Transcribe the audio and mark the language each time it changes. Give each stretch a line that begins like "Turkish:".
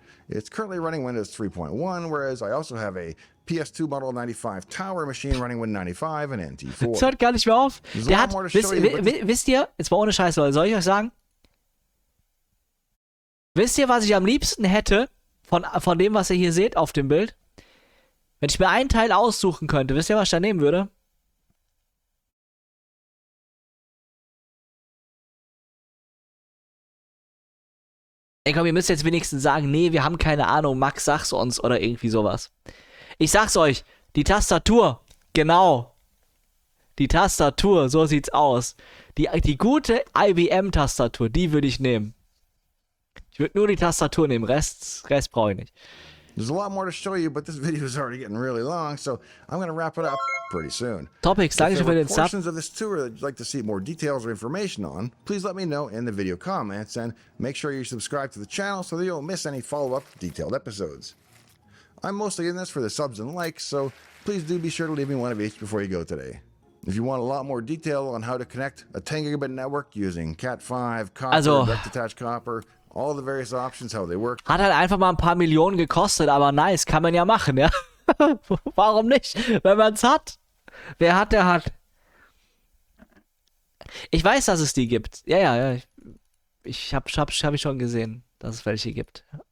English: It's currently running Windows 3.1, whereas I also have a PS2 Model 95 Tower Machine running with 95 and NT4.
German: Das hört gar nicht mehr auf. Der hat, wisst ihr, jetzt mal ohne Scheiß, Leute, soll ich euch sagen? Wisst ihr, was ich am liebsten hätte von dem, was ihr hier seht auf dem Bild? Wenn ich mir einen Teil aussuchen könnte, wisst ihr, was ich da nehmen würde? Ey, komm, ihr müsst jetzt wenigstens sagen, nee, wir haben keine Ahnung, Max, sag's uns oder irgendwie sowas. Ich sag's euch, die Tastatur, genau. Die Tastatur, so sieht's aus. Die gute IBM-Tastatur, die würde ich nehmen. Ich würde nur die Tastatur nehmen, Rest brauche ich nicht.
English: There's a lot more to show you, but this video is already getting really long, so I'm gonna wrap it up pretty soon.
German: Topics, danke schön für den Sub.
English: If portions of this tour that you'd like to see more details or information on, please let me know in the video comments and make sure you subscribe to the channel so that you don't miss any follow-up detailed episodes. I'm mostly in this for the subs and likes, so please do be sure to leave me one of each before you go today. If you want a lot more detail on how to connect a 10 gigabit network using Cat5, copper,
German: also,
English: direct attached copper, all the various options, how they work.
German: Hat halt einfach mal ein paar Millionen gekostet, aber nice, kann man ja machen, ja? Warum nicht? Wenn man's hat. Wer hat, der hat. Ich weiß, dass es die gibt. Ja. Ich hab schon gesehen, dass es welche gibt.